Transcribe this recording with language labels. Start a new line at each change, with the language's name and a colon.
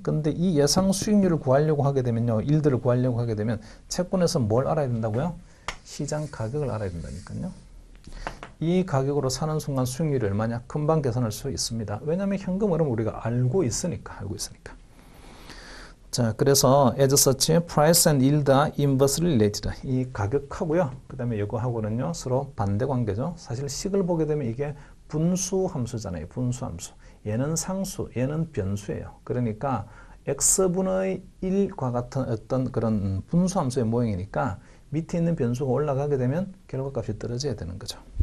Korean: 근데 이 예상 수익률을 구하려고 하게 되면요, 일드를 구하려고 하게 되면 채권에서 뭘 알아야 된다고요? 시장 가격을 알아야 된다니까요. 이 가격으로 사는 순간 수익률이 얼마냐? 금방 계산할 수 있습니다. 왜냐하면 현금 흐름 우리가 알고 있으니까, 알고 있으니까. 자, 그래서
English: as such, price and yield are inversely related.
Korean: 이 가격하고요, 그 다음에 이거하고는요, 서로 반대 관계죠. 사실 식을 보게 되면 이게 분수 함수잖아요. 분수 함수. 얘는 상수, 얘는 변수예요. 그러니까 x분의 1과 같은 어떤 그런 분수 함수의 모형이니까 밑에 있는 변수가 올라가게 되면 결과값이 떨어져야 되는 거죠.